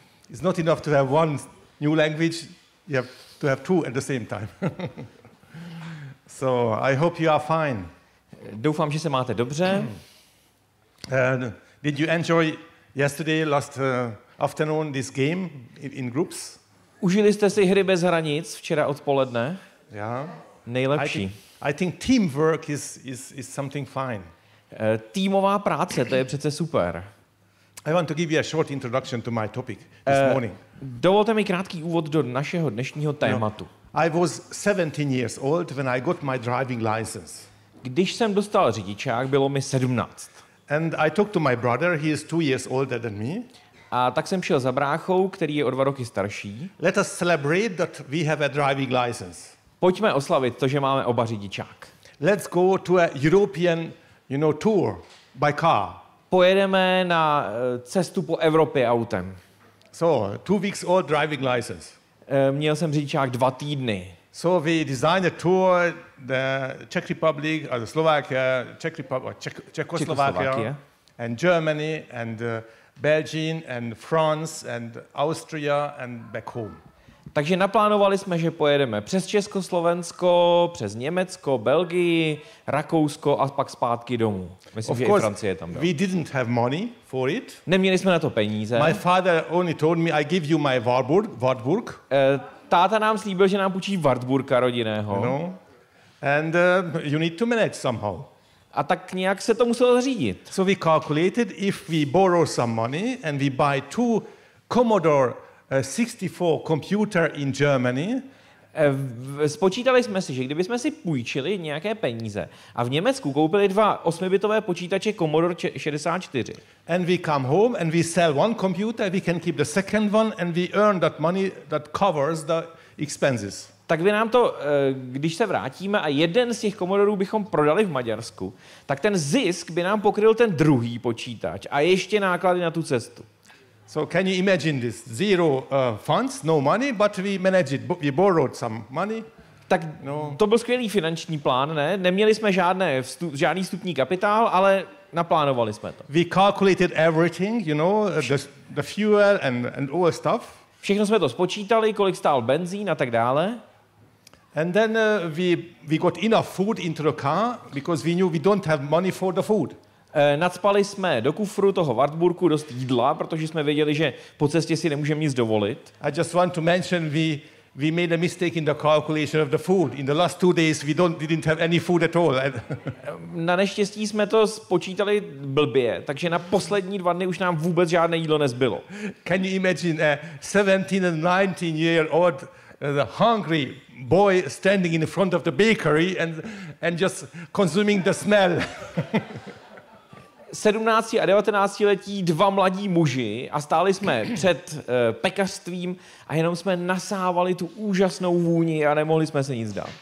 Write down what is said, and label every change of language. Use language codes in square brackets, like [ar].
[en] It's not enough to have one new language, you have to have two at the same time. So, I hope you are fine. [cs] Doufám, že se máte dobře. [en] Did you enjoy yesterday, last afternoon, this game in groups? [cs] Užili jste si hry bez hranic včera odpoledne? [en] Yeah. [cs] Nejlepší. [en] I think teamwork is something fine. [cs] Týmová práce, to je přece super. [en] I want to give you a short introduction to my topic this morning. [cs] Dovolte mi krátký úvod do našeho dnešního tématu. [en] I was 17 years old when I got my driving license. [cs] Když jsem dostal řidičák, bylo mi 17. [en] And I talked to my brother, he is 2 years older than me. [cs] A tak jsem šel za bráchou, který je o 2 roky starší. [en] Let us celebrate that we have a driving license. [cs] Pojďme oslavit to, že máme oba řidičák. [en] Let's go to a European, you know, tour by car. [cs] Pojedeme na cestu po Evropě autem. [en] So, 2 weeks old driving license. [cs] Měl jsem řidičák 2 týdny. [en] So we designed a tour the Czech Republic, or the Slovakia, Czech Republic, Czechoslovakia, and Germany and Belgium and France and Austria and back home. [cs] Takže naplánovali jsme, že pojedeme přes Československo, přes Německo, Belgii, Rakousko a pak zpátky domů. Myslím, že i Francie je tam. [en] We didn't have money for it. [cs] Neměli jsme na to peníze. [en] My father only told me I give you my Wartburg. [cs] Táta nám slíbil, že nám půjčí Wartburka rodinného. [en] You know? And you need to manage somehow. [cs] A tak nějak se to muselo zařídit. [en] So we calculated if we borrow some money and we buy 2 Commodore a 64 computer in Germany. [cs] Spočítali jsme si, že kdybychom si půjčili nějaké peníze a v Německu koupili 2 8-bitové počítače Commodore 64. [en] And we come home and we sell one computer, we can keep the second one and we earn that money that covers the expenses. [cs] Tak by nám to, když se vrátíme a jeden z těch Commodorů bychom prodali v Maďarsku, tak ten zisk by nám pokryl ten druhý počítač a ještě náklady na tu cestu. [en] So can you imagine this? Zero funds, no money, but we managed it. We borrowed some money. [cs] Tak no. To byl skvělý finanční plán, ne? Neměli jsme žádný vstupní kapitál, ale naplánovali jsme to. [en] We calculated everything, you know, the fuel and all stuff. [cs] Všechno jsme to spočítali, kolik stál benzín a tak dále. [en] And then we got enough food into the car because we knew we don't have money for the food. [cs] Nacpali jsme do kufru toho Wartburku dost jídla, protože jsme věděli, že po cestě si nemůžeme nic dovolit. [en] I just want to mention we made a mistake in the calculation of the food. In the last 2 days we didn't have any food at all. [cs] Na neštěstí jsme to spočítali blbě, takže na poslední 2 dny už nám vůbec žádné jídlo nezbylo. [en] Can you imagine a 17 and 19 year old hungry boy standing in front of the bakery and just consuming the smell? [cs] 17 a 19 letí 2 mladí muži a stáli jsme před pekařstvím a jenom jsme nasávali tu úžasnou vůni a nemohli jsme se nic dát.